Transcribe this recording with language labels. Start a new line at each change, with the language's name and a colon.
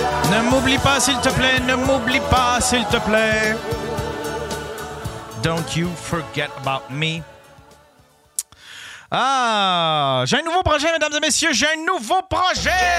French: Ne m'oublie pas, s'il te plaît. Ne m'oublie pas, s'il te plaît.
English: Don't you forget about me.
French: Ah, j'ai un nouveau projet, mesdames et messieurs. J'ai un nouveau projet.